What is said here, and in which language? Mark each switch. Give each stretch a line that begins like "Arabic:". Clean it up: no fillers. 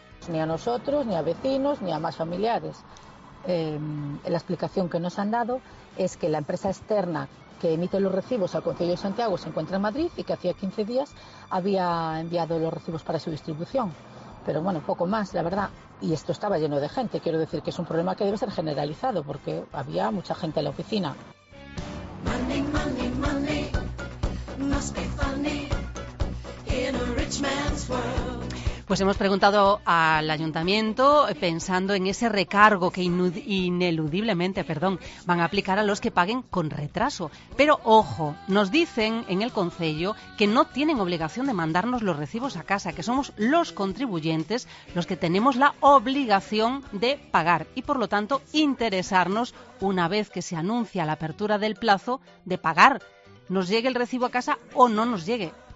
Spanish: Ni a nosotros, ni a vecinos, ni a más familiares. La explicación que nos han dado es que la empresa externa que emite los recibos al Concello de Santiago se encuentra en Madrid y que hacía 15 días había enviado los recibos para su distribución. Pero bueno, poco más, la verdad. Y esto estaba lleno de gente. Quiero decir que es un problema que debe ser generalizado porque había mucha gente en la oficina.
English: Money, money, money, must be funny in a rich man's world.
Spanish: Pues hemos preguntado al ayuntamiento pensando en ese recargo que ineludiblemente, van a aplicar a los que paguen con retraso. Pero ojo, nos dicen en el concello que no tienen obligación de mandarnos los recibos a casa, que somos los contribuyentes los que tenemos la obligación de pagar y por lo tanto interesarnos una vez que se anuncia la apertura del plazo de pagar, nos llegue el recibo a casa o no nos llegue.